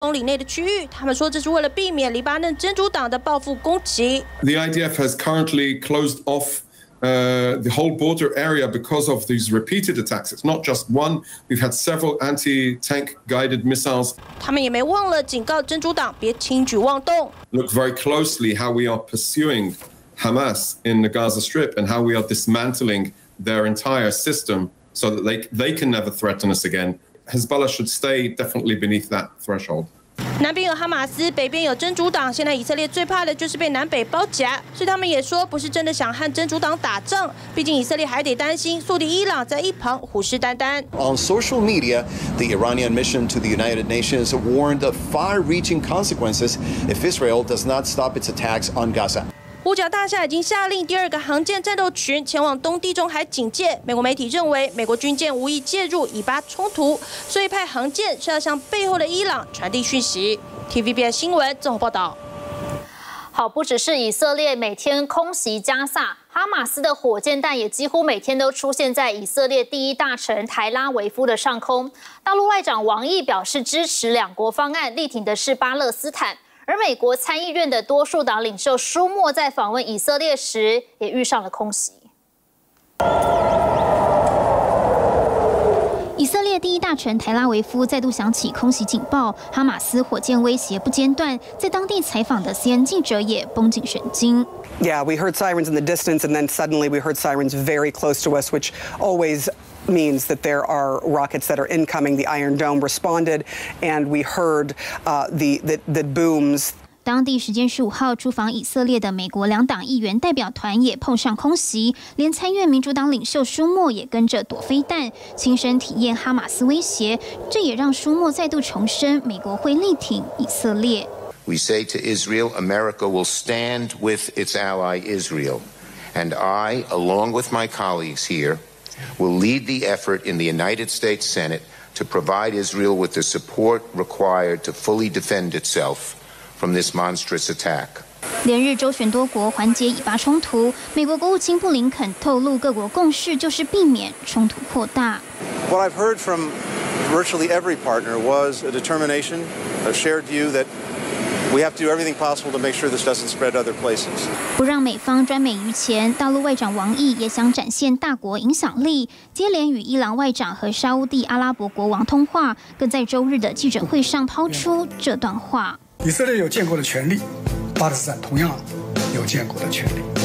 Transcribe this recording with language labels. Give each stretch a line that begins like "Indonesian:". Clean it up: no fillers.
Chinese: 公里内的区域，他们说这是为了避免黎巴嫩真主党的报复攻击。
English: The IDF has currently closed off the whole border area because of these repeated attacks. It's not just one; we've had several anti-tank guided missiles.
Chinese: 他们也没忘了警告真主党别轻举妄动。
English: Look very closely how we are pursuing Hamas in the Gaza Strip and how we are dismantling their entire system so that they can never threaten us again. Hezbollah should stay definitely beneath that threshold.
Chinese: 南边有哈马斯，北边有真主党。现在以色列最怕的就是被南北包夹，所以他们也说不是真的想和真主党打仗。毕竟以色列还得担心宿敌伊朗在一旁虎视眈眈。
English: On social media, the Iranian mission to the United Nations warned of far-reaching consequences if Israel does not stop its attacks on Gaza.
Chinese: 五角大厦已经下令第二个航舰战斗群前往东地中海警戒。美国媒体认为，美国军舰无意介入以巴冲突，所以派航舰是要向背后的伊朗传递讯息。 TVBS 新闻综合报道。好，不只是以色列每天空袭加萨，哈马斯的火箭弹也几乎每天都出现在以色列第一大城台拉维夫的上空。大陆外长王毅表示支持两国方案，力挺的是巴勒斯坦。而美国参议院的多数党领袖舒默在访问以色列时也遇上了空袭。以色列第一大城台拉维夫再度响起空袭警报，哈马斯火箭威胁不间断，在当地采访的 CNN 记者也绷紧神经。
English: Yeah, we heard sirens in the distance and then suddenly we heard sirens very close to us, which alwaysmeans that there are rockets that are incoming. The Iron Dome responded, and we heard the booms.
Chinese: 当地时间15号，出访以色列的美国两党议员代表团也碰上空袭，连参院民主党领袖舒默也跟着躲飞弹，亲身体验哈马斯威胁。这也让舒默再度重申，美国会力挺以色列。
English: We say to Israel, America will stand with its ally Israel, and I, along with my colleagues here. Will lead the effort in the United States Senate to provide Israel with the support required to fully defend itself from this monstrous attack.
Chinese: 连日周旋多国缓解以巴冲突，美国国务卿布林肯透露，各国共识就是避免冲突扩大。
English: What I've heard from virtually every partner was a determination, a shared view that. We have to do everything possible to make sure this doesn't spread other places.
Chinese: 不让美方专美于前，大陆外长王毅也想展现大国影响力，接连与伊朗外长和沙烏地阿拉伯国王通话，更在周日的记者会上抛出这段话： 以色列有建国的权利，巴勒斯坦同样有建国的权利。